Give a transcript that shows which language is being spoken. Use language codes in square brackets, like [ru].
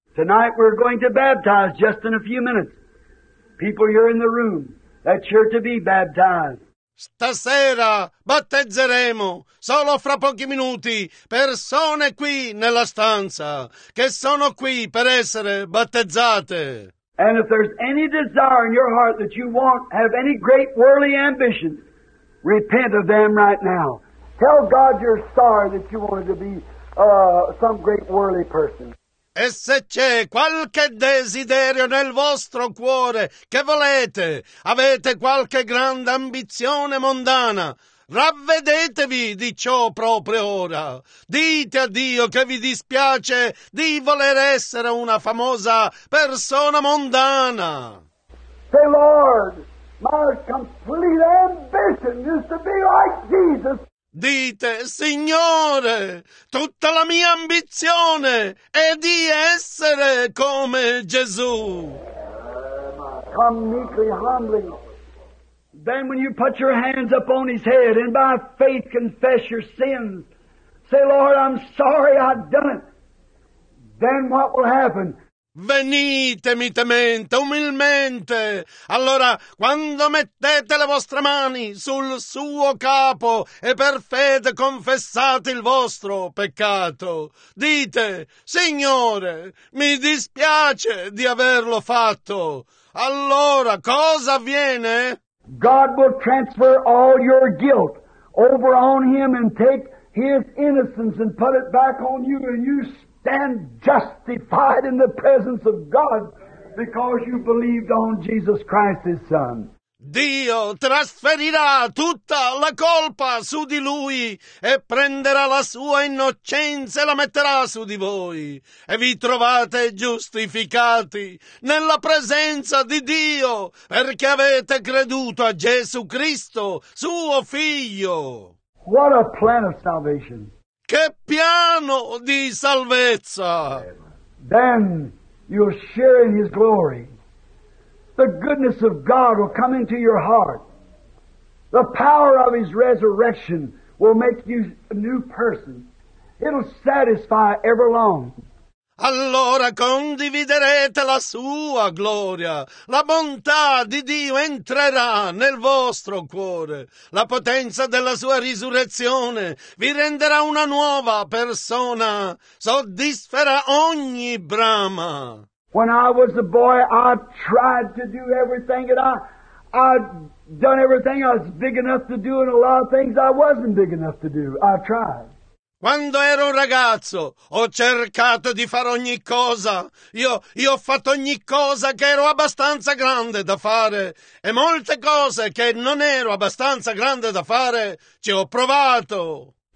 [en] Tonight we're going to baptize just in a few minutes. People here in the room, that you're to be baptized. [it] Stasera battezzeremo, solo fra pochi minuti, persone qui nella stanza, che sono qui per essere battezzate. [en] And if there's any desire in your heart that you want, have any great worldly ambition, repent of them right now. Tell God you're sorry that you wanted to be some great worldly person. [it] E se c'è qualche desiderio nel vostro cuore che volete, avete qualche grande ambizione mondana, ravvedetevi di ciò proprio ora. Dite a Dio che vi dispiace di voler essere una famosa persona mondana. [en] Say, Lord, my complete ambition is to be like Jesus. [it] Dite, Signore, tutta la mia ambizione è di essere come Gesù. [en] Come meekly, humbly. Then when you put your hands up on his head and by faith confess your sins, say, Lord, I'm sorry I've done it. Then what will happen? [it] Venite mitamente, umilmente. Allora, quando mettete le vostre mani sul suo capo e per fede confessate il vostro peccato, dite, Signore, mi dispiace di averlo fatto. Allora, cosa avviene? [en] God will transfer all your guilt over on him and take his innocence and put it back on you, and you stand justified in the presence of God because you believed on Jesus Christ, his Son. [it] Dio trasferirà tutta la colpa su di lui e prenderà la sua innocenza e la metterà su di voi. E vi trovate giustificati nella presenza di Dio perché avete creduto a Gesù Cristo, suo Figlio. [en] What a plan of salvation! [it] Che piano di salvezza! [en] Then you'll share in his glory. The goodness of God will come into your heart. The power of his resurrection will make you a new person. It'll satisfy ever long. [it] Allora condividerete la sua gloria. La bontà di Dio entrerà nel vostro cuore. La potenza della sua risurrezione vi renderà una nuova persona. Soddisferà ogni brama. [en] When I was a boy, I tried to do everything, and I'd done everything I was big enough to do, and a lot of things I wasn't big enough to do. I tried. [it] Quando ero un ragazzo, ho cercato di fare ogni cosa. Io ho fatto ogni cosa che ero abbastanza grande da fare, e molte cose che non ero abbastanza grande da fare, ci ho provato.